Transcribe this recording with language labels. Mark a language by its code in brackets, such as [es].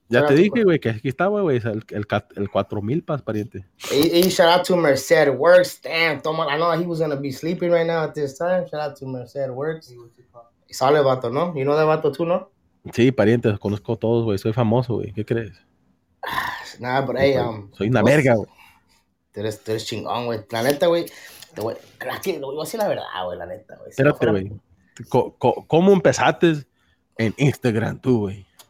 [es] Ya te dije, güey, que aquí estaba, güey, el 4,000 pas, pariente. [en] Y shout out to Merced Works. Damn, toma, I know he was going to be sleeping right now at this time. Shout out to Merced Works. [es] Y sale vato, ¿no? [en] You know that vato too, ¿no? [es] Sí, pariente, conozco a todos, güey. Soy famoso, güey. ¿Qué crees? [en] Nah, but hey, [es] soy una verga, güey. Tú eres chingón, güey. La neta, güey. Voy a decir la verdad, güey, la neta, güey. Espérate, güey. ¿Cómo empezaste en Instagram tú, güey?